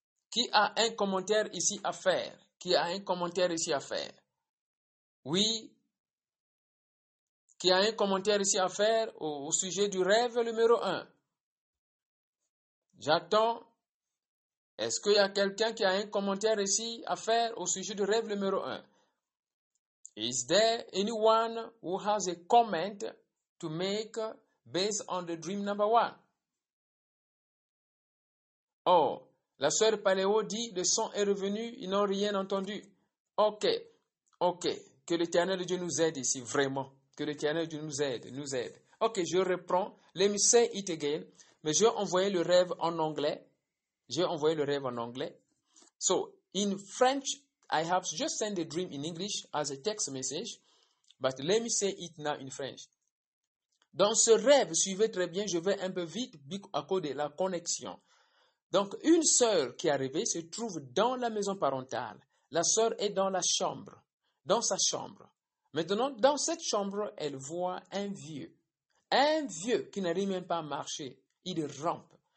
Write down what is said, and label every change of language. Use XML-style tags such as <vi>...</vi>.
<fr>Qui a un commentaire ici à faire? Qui a un commentaire ici à faire? Oui. Qui a un commentaire ici à faire au sujet du rêve numéro 1? J'attends. Est-ce qu'il y a quelqu'un qui a un commentaire ici à faire au sujet du rêve numéro 1?</fr> <en>Is there anyone who has a comment to make based on the dream number 1?</en> <fr>Oh, la sœur Paléo dit le son est revenu, ils n'ont rien entendu. Ok, ok. Que l'Éternel Dieu nous aide ici, vraiment. Que l'Éternel Dieu nous aide. Ok, je reprends.</fr> <en>Let me say it again.</en> <fr>Mais j'ai envoyé le rêve en anglais. J'ai envoyé le rêve en anglais.</fr> <en>So, in French, I have just sent the dream in English as a text message. But let me say it now in French.</en> <fr>Dans ce rêve, suivez très bien, je vais un peu vite à cause de la connexion. Donc, une sœur qui est arrivée se trouve dans la maison parentale. La sœur est dans la chambre, dans sa chambre. Maintenant, dans cette chambre, elle voit un vieux. Un vieux qui n'arrive même pas à marcher. Il rampe.</fr>